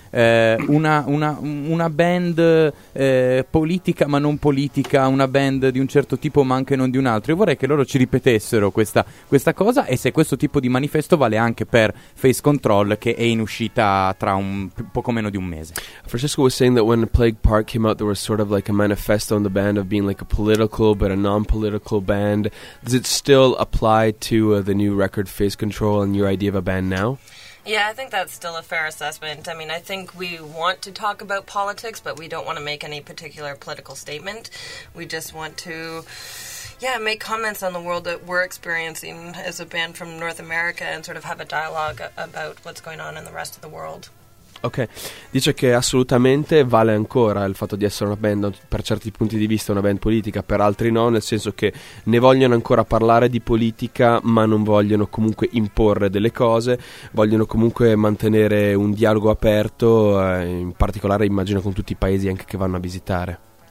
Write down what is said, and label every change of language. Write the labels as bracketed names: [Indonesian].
[Italian] una band politica ma non politica, una band di un certo tipo ma anche non di un altro. Io vorrei che loro ci ripetessero questa cosa, e se questo tipo di manifesto vale anche per Face Control, che è in uscita tra un poco meno di un mese. [English] Francesco was saying that when Plague Park came out there was sort of like a manifesto on the band of being like a political but a non-political band. Does it still apply to the new record Face Control and your idea of a band now? Yeah, I think that's still a fair assessment. I mean, I think we want to talk about politics, but we don't want to make any particular political statement. We just want to, yeah, make comments on the world that we're experiencing as a band from North America and sort of have a dialogue about what's going on in the rest of the world. [Italian] Ok, dice che assolutamente vale ancora il fatto di essere una band, per certi punti di vista una band politica, per altri no, nel senso che ne vogliono ancora parlare di politica, ma non vogliono comunque imporre delle cose, vogliono comunque mantenere un dialogo aperto, in particolare immagino con tutti i paesi anche che vanno a visitare.